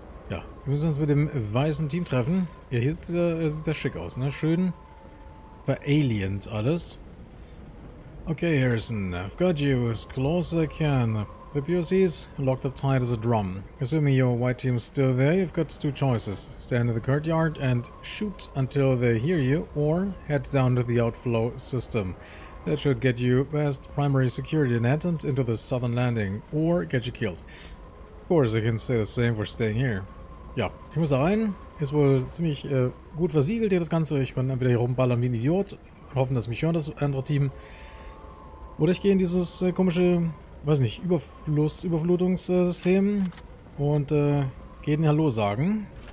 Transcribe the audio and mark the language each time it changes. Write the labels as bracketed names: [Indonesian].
[German] Ja, wir müssen uns mit dem weißen Team treffen. Ja, hier sieht es sehr schick aus, ne? Schön veraliens alles. [English] Okay, Harrison, I've got you as close as I can. The POCs locked up tight as a drum. Assuming your white team is still there, you've got two choices. Stand in the courtyard and shoot until they hear you, or head down to the outflow system. That should get you past primary security net and into the southern landing, or get you killed. Of course, I can say the same for staying here. [German] Ja, ich muss rein. Ist wohl ziemlich gut versiegelt hier das Ganze. Ich kann entweder hier rumballern wie ein Idiot, hoffen, dass mich hören das andere Team. Oder ich gehe in dieses komische, weiß nicht, Überflutungssystem und gehe den Hallo sagen.